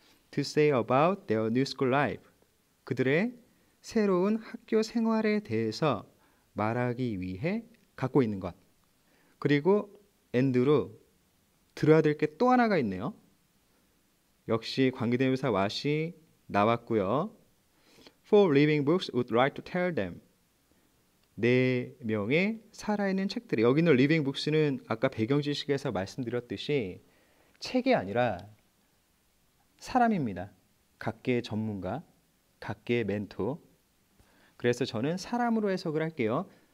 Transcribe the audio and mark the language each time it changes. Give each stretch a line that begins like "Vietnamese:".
English: To say about their new school life.
Korean: 그들의 새로운 학교 생활에 대해서 말하기 위해 갖고 있는 것. 그리고 end로 들어야 될 게 또 하나가 있네요. 역시 관계대명사 what이 나왔고요.
English: For living books would like to tell them.
Korean: 네 명의 살아있는 책들이. 여기 있는 living books는 아까 배경지식에서 말씀드렸듯이 책이 아니라 사람입니다. 각계의 전문가, 각계의 멘토. 그래서 저는 사람으로 해석을 할게요.